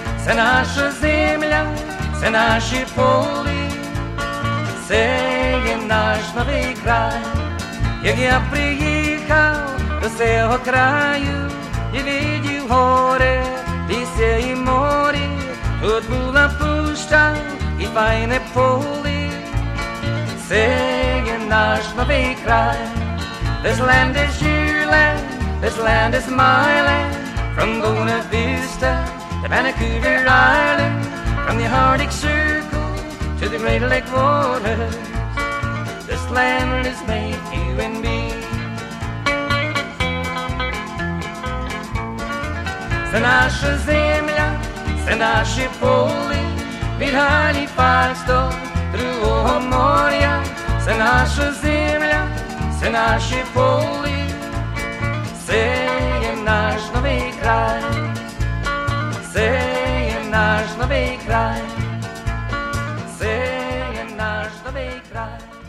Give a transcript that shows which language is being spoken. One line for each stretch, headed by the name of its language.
Ukrainian: Це наша земля, це наші полі, це є наш новий край. Як я приїхав до цього краю і видів горе, лісе і море, тут була пуща і файне полі. Це наш новий край.
English: This land is your land, this land is my land. From Buena Vista to Vancouver Island, from the Arctic Circle to the Great Lake waters, this land is made you and me.
Ukrainian: Це наша земля, це наші полі, від Галіфакс до другого моря. Це наша земля, це наші полі, це є наш новий край, це є наш новий край, це є наш новий край.